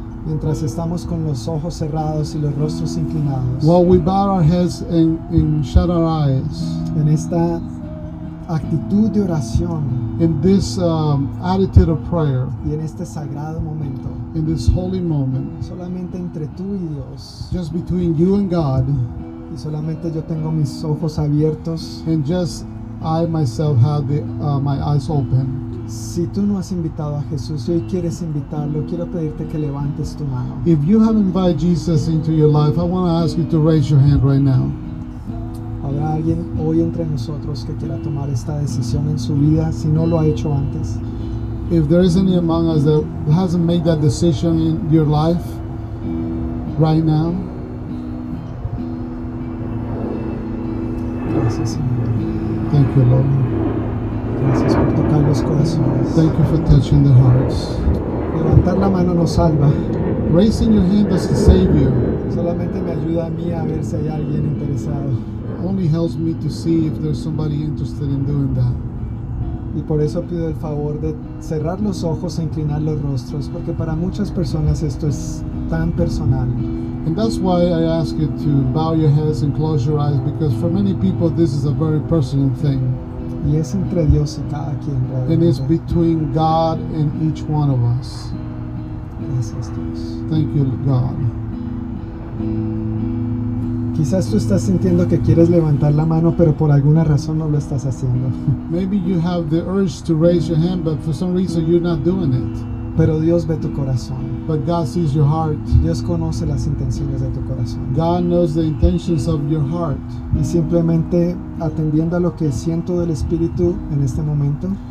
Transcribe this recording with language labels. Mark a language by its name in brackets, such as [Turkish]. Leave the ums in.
[Spanish] mientras estamos con los ojos cerrados y los rostros inclinados. [English] While we bow our heads and, and, shut our eyes, [Spanish] En esta actitud de oración. [English] In this um, attitude of prayer. [Spanish] Y en este sagrado momento. [English] In this holy moment. [Spanish] Solamente entre tú y Dios. [English] Just between you and God. [Spanish] Y solamente yo tengo mis ojos abiertos. [English] And just I myself have the, uh, my eyes open. [Spanish] Si tú no has invitado a Jesús si hoy quieres invitarlo, quiero pedirte que levantes tu mano. [English] If you have invited Jesus into your life, I want to ask you to raise your hand right now. [Spanish] ¿Habrá alguien hoy entre nosotros que quiera tomar esta decisión en su vida si no lo ha hecho antes? [English] If there is any among us that hasn't made that decision in your life right now. [Spanish] Gracias, Señor. Thank [English] you, Lord. Thank you. [Spanish] Gracias por tocar los corazones. [English] Thank you for touching the hearts. [Spanish] Levantar la mano nos salva. [English] Raising your hand does save you. [Spanish] Solamente me ayuda a mí a ver si hay alguien interesado. [English] Only helps me to see if there's somebody interested in doing that. [Spanish] Y por eso pido el favor de cerrar los ojos e inclinar los rostros, porque para muchas personas esto es tan personal. [English] And that's why I ask you to bow your heads and close your eyes, because for many people this is a very personal thing [Spanish] y es entre Dios y cada quien. [English] And it's between God and each one of us. [Spanish] Gracias Dios. [English] Thank you God. [Spanish] Quizás tú estás sintiendo que quieres levantar la mano, pero por alguna razón no lo estás haciendo. [English] Maybe you have the urge to raise your hand, but for some reason you're not doing it. [Spanish] Pero Dios ve tu corazón. [English] But God sees your heart. [Spanish] Dios conoce las intenciones de tu corazón. [English] God knows the intentions of your heart. [Spanish] Y simplemente atendiendo a lo que siento del Espíritu en este momento.